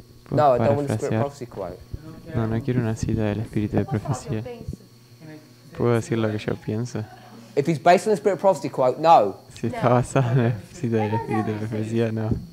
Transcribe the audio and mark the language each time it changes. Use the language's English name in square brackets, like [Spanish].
[English] No, I don't want a spirit prophecy quote. [Spanish] No, no quiero una cita del espíritu de profecía. ¿Puedo decir lo que yo pienso? [English] If it's based on the spirit of prophecy quote, no. [Spanish] Si está basado en la cita del espíritu de profecía, no.